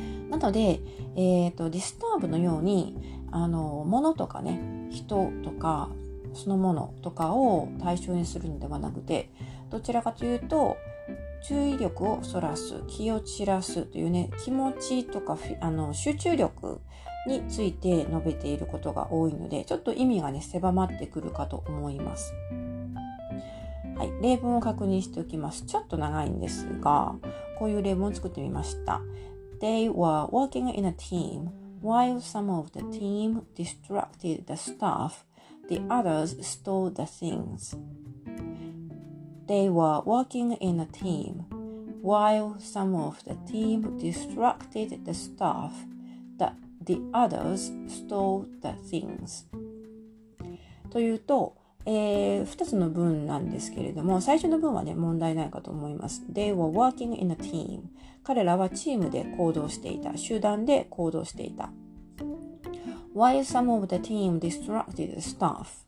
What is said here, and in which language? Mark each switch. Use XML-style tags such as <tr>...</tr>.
<ja>なので、disturb のように、物とかね、人とかそのものとかを対象にするのではなくて、どちらかというと注意力をそらす、気を散らすというね、気持ちとか集中力について述べていることが多いので、ちょっと意味がね、狭まってくるかと思います。はい、例文を確認しておきます。ちょっと長いんですが、こういう例文を作ってみました。</ja> <en>They were working in a team. While some of the team distracted the staff, the others stole the thingsThey were working in a team. While some of the team distracted the staff, the others stole the things.</en> <ja>というと、2つの文なんですけれども、最初の文はね、問題ないかと思います。</ja> <en>They were working in a team.</en> <ja>彼らはチームで行動していた。集団で行動していた。</ja> <en>While some of the team distracted the staff.</en>